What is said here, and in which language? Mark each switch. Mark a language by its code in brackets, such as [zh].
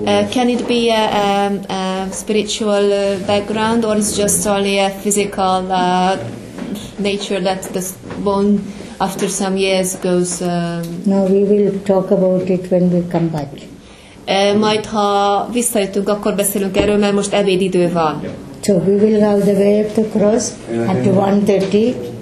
[en] Can it be a spiritual background, or is just only a physical nature that the bone after some years goes... No, we will talk about it when we come back. [hu] Majd, ha visszajöttünk, akkor beszélünk erről, mert most ebédidő van. [en] So we will have the way of the cross at 1:30.